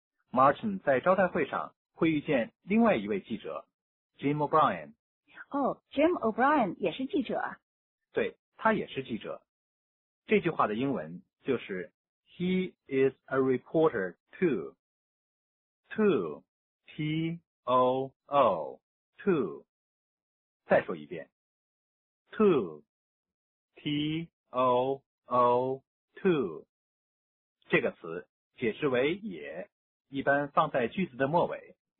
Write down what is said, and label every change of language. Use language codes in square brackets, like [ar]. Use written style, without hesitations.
[zh] Martin 在招待会上会遇见另外一位记者Jim O'Brien。 Jim O'Brien 也是记者啊？对，他也是记者。这句话的英文就是 [en] He is a reporter too. [zh] To T-O-O To 再说一遍 To T-O-O To 这个词解释为也，一般放在句子的末尾。